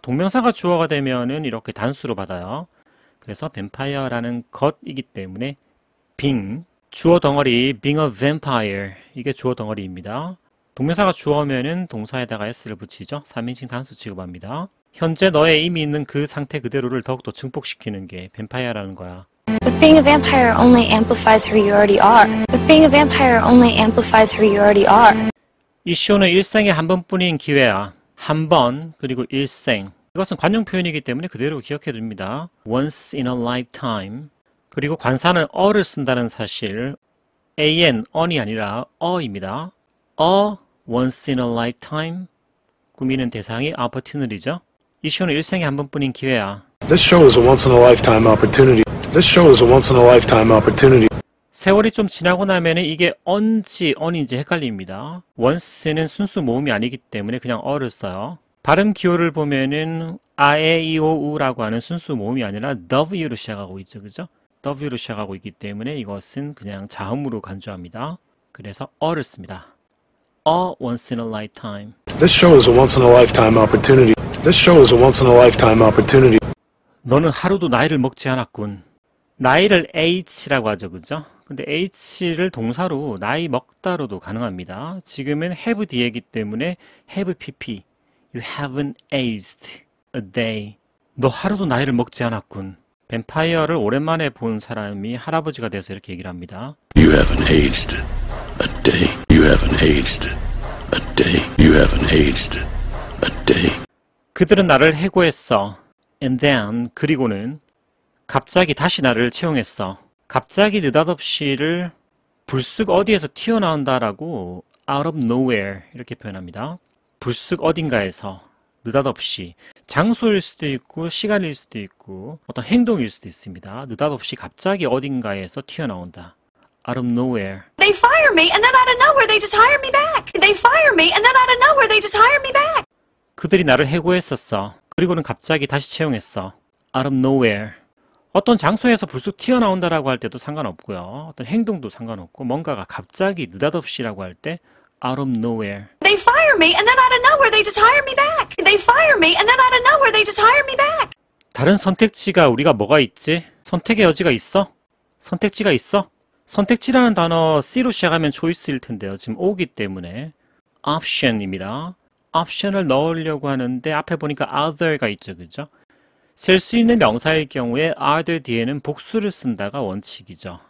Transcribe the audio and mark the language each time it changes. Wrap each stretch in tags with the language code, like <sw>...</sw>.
<ko>동명사가 주어가 되면은 이렇게 단수로 받아요. 그래서 뱀파이어라는 것이기 때문에 빙. 주어 덩어리</ko> <en>being a vampire.</en> <ko>이게 주어 덩어리입니다. 동명사가 주어면은 동사에다가 s를 붙이죠. 3인칭 단수 취급합니다. 현재 너의 이미 있는 그 상태 그대로를 더욱더 증폭시키는 게 뱀파이어라는 거야.</ko> <en>But being a vampire only amplifies who you already are. But being a vampire only amplifies who you already are.</en> <ko>이 쇼는 일생에 한 번뿐인 기회야. 한 번, 그리고 일생. 이것은 관용 표현이기 때문에 그대로 기억해 둡니다.</ko> <en>Once in a lifetime.</en> <ko>그리고 관사는 어를 쓴다는 사실. an, on이 아니라 어입니다.</ko> <en>A once in a lifetime.</en> <ko>꾸미는 대상이 opportunity죠. 이 쇼는 일생에 한 번뿐인 기회야.</ko> <en>This show is a once in a lifetime opportunity. This show is a once in a lifetime opportunity.</en> <ko>세월이 좀 지나고 나면 이게 언지 언인지 헷갈립니다. once는 순수 모음이 아니기 때문에 그냥 어를 써요. 발음 기호를 보면은 aeou라고 하는 순수 모음이 아니라 w로 시작하고 있죠. 그죠? w로 시작하고 있기 때문에 이것은 그냥 자음으로 간주합니다. 그래서 어를 씁니다.</ko> <en>A once in a lifetime. This show is a once in a lifetime opportunity. This show is a once in a lifetime opportunity.</en> <ko>너는 하루도 나이를 먹지 않았군. 나이를 age라고 하죠. 그죠? 근데 age를 동사로 나이 먹다로도 가능합니다. 지금은 have 뒤에이기 때문에 have pp.</ko> <en>You haven't aged a day.</en> <ko>너 하루도 나이를 먹지 않았군. 뱀파이어를 오랜만에 본 사람이 할아버지가 돼서 이렇게 얘기를 합니다.</ko> <en>You haven't aged a day. You haven't aged a day. You haven't aged a day.</en> <ko>그들은 나를 해고했어.</ko> <en>And then,</en> <ko>그리고는 갑자기 다시 나를 채용했어. 갑자기 느닷없이를 불쑥 어디에서 튀어나온다라고 out of nowhere 이렇게 표현합니다. 불쑥 어딘가에서 느닷없이 장소일 수도 있고 시간일 수도 있고 어떤 행동일 수도 있습니다. 느닷없이 갑자기 어딘가에서 튀어나온다.</ko> <en>Out of nowhere. They fire me and then out of nowhere they just hire me back. They fire me and then out of nowhere they just hire me back.</en> <ko>그들이 나를 해고했었어. 그리고는 갑자기 다시 채용했어.</ko> <en>Out of nowhere.</en> <ko>어떤 장소에서 불쑥 튀어나온다라고 할 때도 상관없고요. 어떤 행동도 상관없고 뭔가가 갑자기 느닷없이라고 할 때 out of nowhere.</ko> <en>They fire me and then out of nowhere they just hire me back. They fire me and then out of nowhere they just hire me back.</en> <ko>다른 선택지가 우리가 뭐가 있지? 선택의 여지가 있어? 선택지가 있어? 선택지라는 단어 C로 시작하면 choice일 텐데요. 지금 O기 때문에 option입니다. option을 넣으려고 하는데 앞에 보니까 other가 있죠. 그죠? 셀 수 있는 명사일 경우에 other 뒤에는 복수를 쓴다가 원칙이죠.</ko>